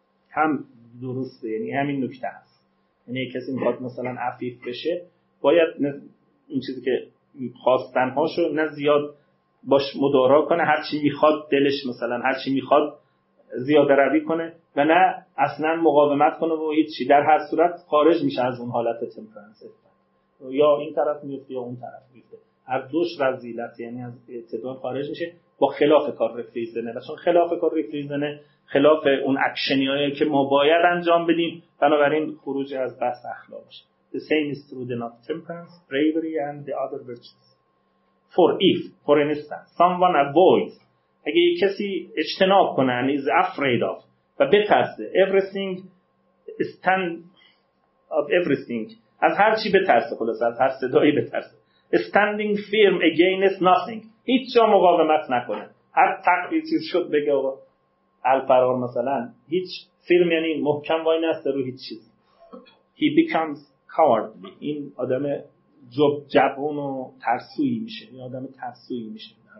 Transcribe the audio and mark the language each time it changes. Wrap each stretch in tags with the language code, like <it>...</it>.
<fa>هم درسته، یعنی همین نکته هست، یعنی کسی میخواد مثلا عفیف بشه باید این چیزی که خواستنهاشو نه زیاد باش مدارا کنه، هرچی میخواد دلش مثلا هرچی میخواد زیاده روی کنه و نه اصلا مقاومت کنه و هیچی، در هر صورت خارج میشه از اون حالت تمپرنس، یا این طرف میفته یا اون طرف میفته، هر دوش رذیلت یعنی از اعتدال خارج میشه با خلاف کار ریفریزنه، و چون خلاف کار ریفریزنه خلاف اون اکشنیایی که ما باید انجام بدیم، بنابراین خروج از بس اخلاق میشه.</fa> <en>The same is true of temperance, bravery and the other virtues. For if, for instance, someone avoids،</en> <fa>اگه یک کسی اجتناب کنن</fa> <en>is afraid of</en> <fa>و بترسه،</fa> <en>everything stand of everything،</en> <fa>از هر چی بترسه، خلاصه از هر صدایی بترسه،</fa> <en>standing firm against nothing،</en> <fa>هیچ جا مقاومت نکنه، هر تقریب چیز شد بگه آقا الفرار مثلا، هیچ firm یعنی محکم وای نسته رو هیچ چیز،</fa> <en>he becomes cowardly،</en> <fa>این آدم جبون و ترسویی میشه، این آدم ترسویی میشه.</fa>